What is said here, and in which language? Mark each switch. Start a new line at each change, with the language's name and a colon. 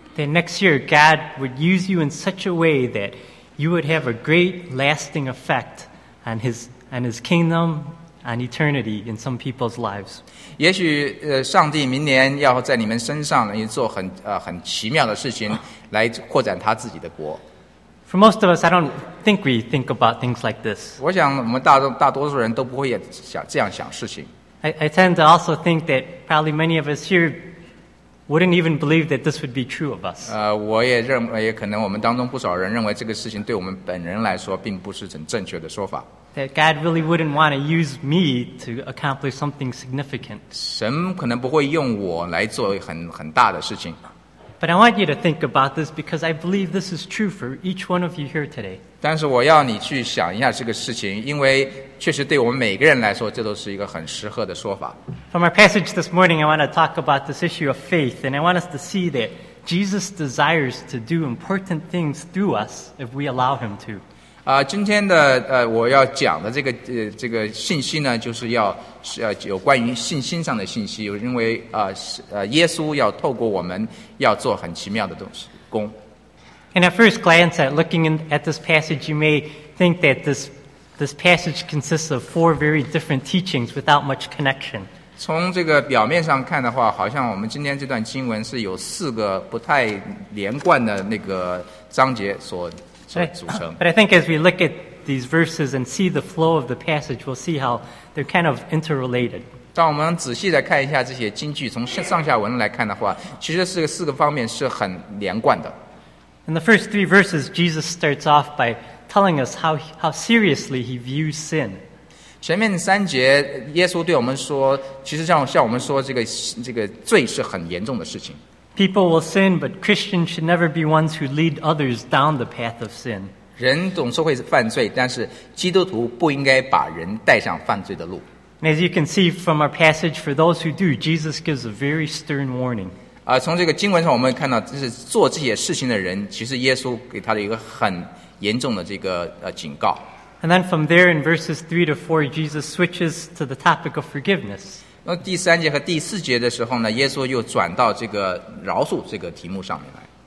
English: That next year God would use you in such a way that you would have a great lasting effect and his kingdom and eternity in some people's lives.
Chinese: 也许上帝明年要在你们身上也做很奇妙的事情来扩展他自己的国。
English: For most of us, I don't think we think about things like this.
Chinese: 我想我们大多数人都不会想这样想事情。
English: I tend to also think that probably many of us here wouldn't even believe that this would be true of us.
Chinese: 我也认为也可能我们当中不少人认为这个事情对我们本人来说并不是很正确的说法。
English: That God really wouldn't want to use me to accomplish something significant.
Chinese: 神可能不会用我来做很大的事情。
English: But I want you to think about this because I believe this is true for each one of you here today.
Chinese: 但是我要你去想一下这个事情，因为确实对我们每个人来说，这都是一个很适合的说法。
English: From our passage this morning, I want to talk about this issue of faith, and I want us to see that Jesus desires to do important things through us if we allow him to.
Chinese: 今天的我要讲的这个信息呢，就是要有关于信心上的信息，因为耶稣要透过我们要做很奇妙的东西工。
English: And at first glance, at looking at this passage, you may think that this passage consists of four very different teachings without much connection.
Chinese: 从这个表面上看的话，好像我们今天这段经文是有四个不太连贯的那个章节所。
English: But I think as we look at these verses and see the flow of the passage, we'll see how they're kind of interrelated.
Chinese: 当我们仔细地看一下这些经句，从上下文来看的话，其实是四个方面是很连贯的。
English: In the first three verses, Jesus starts off by telling us how seriously he views sin.
Chinese: 前面三节，耶稣对我们说，其实像我们说这个罪是很严重的事情。
English: People will sin, but Christians should never be ones who lead others down the path of sin.
Chinese: 人总是会犯罪，但是基督徒不应该把人带上犯罪的路。
English: And as you can see from our passage, for those who do, Jesus gives a very stern warning.
Chinese: 从这个经文上我们看到，就是做这些事情的人，其实耶稣给他的一个很严重的这个警告。
English: And then from there, in verses 3 to 4, Jesus switches to the topic of forgiveness.
Chinese: 第三节和第四节的时候呢，耶稣又转到这个饶恕这个题目上面来。